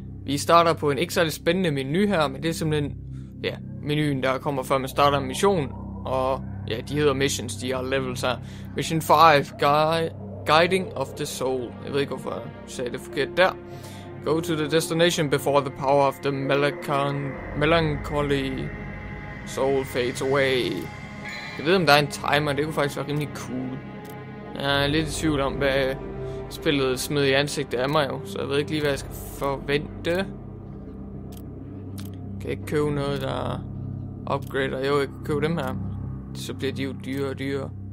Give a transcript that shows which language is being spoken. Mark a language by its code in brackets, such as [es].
[da] Vi starter på en ikke særlig spændende menu her, men det er simpelthen, ja, menuen, der kommer før man starter en mission. Og ja, de hedder missions, de har levels her. Mission 5, Guiding of the Soul. Jeg ved ikke, hvorfor jeg sagde det forkert der. [en] Go to the destination before the power of the melancholy soul fades away. [da] Jeg ved, om der er en timer, det kunne faktisk være rimelig cool. Jeg er lidt i tvivl om, hvad spillet smed i ansigtet af mig jo, så jeg ved ikke lige, hvad jeg skal forvente. Kan jeg ikke købe noget, der upgrader? Jo, jeg kan købe dem her. Så bliver de jo dyrere og dyrere.